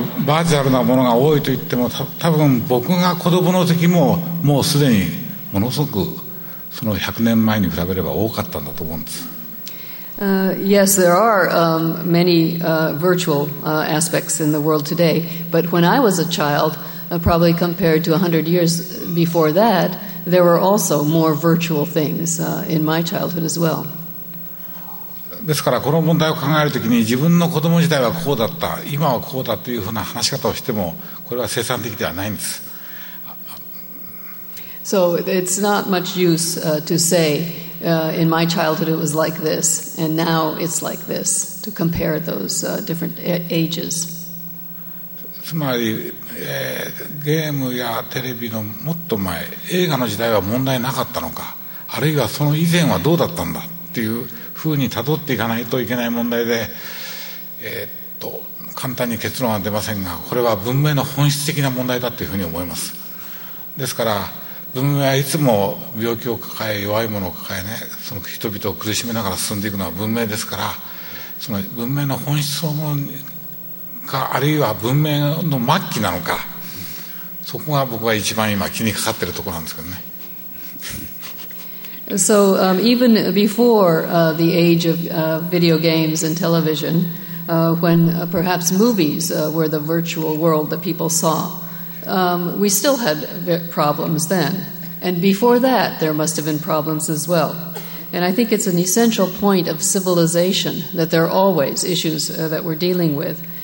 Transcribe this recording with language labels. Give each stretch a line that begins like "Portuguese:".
English: Yes, there are many virtual aspects in the world today, but when I was a child, probably compared to 100 years before that, there were also more virtual things in my childhood as well.
Japanese: ですからこの問題を考えるときに自分の子供時代はこうだった今はこうだというふうな話し方をしてもこれは生産的ではないんです。
English: So it's not much use to say in my childhood it was like this and now it's like this to compare those different ages.
Japanese: つまり、ゲームやテレビのもっと前映画の時代は問題なかったのかあるいはその以前はどうだったんだっていうふうに辿っていかないといけない問題で、簡単に結論は出ませんがこれは文明の本質的な問題だというふうに思います。ですから文明はいつも病気を抱え弱いものを抱えねその人々を苦しめながら進んでいくのは文明ですからその文明の本質そのものかあるいは文明の末期なのかそこが僕は一番今気にかかっているところなんですけどね。
English: So even before the age of video games and television, when perhaps movies were the virtual world that people saw, we still had problems then. And before that, there must have been problems as well. And I think it's an essential point of civilization that there are always issues that we're dealing with.